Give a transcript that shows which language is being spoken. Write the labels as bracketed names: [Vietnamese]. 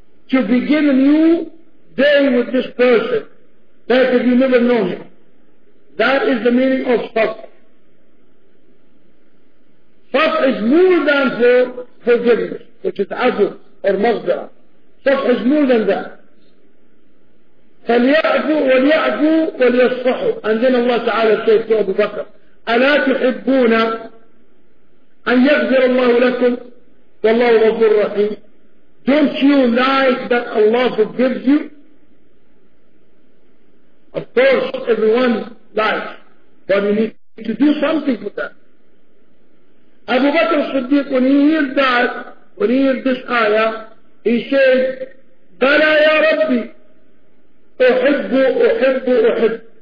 [English] To begin a new day with this person that you never know him. That is the meaning of صفح. صفح is more than for forgiveness, which is عفو or مغفرة. صفح is more than that. [Arabic] فليعفو وليعفو وليصفحوا. [English] And then Allah تعالى said to Abu Bakr, [Arabic] ألا تحبون أن يغفر الله لكم والله غفور رحيم. [English] Don't you like that Allah forgives you? Of course, everyone likes, but you need to do something for that. Abu Bakr Siddiq, when he heard that, when he heard this ayah, he said, [Arabic] Bala ya Rabbi, uhibbu, uhibbu, uhibbu.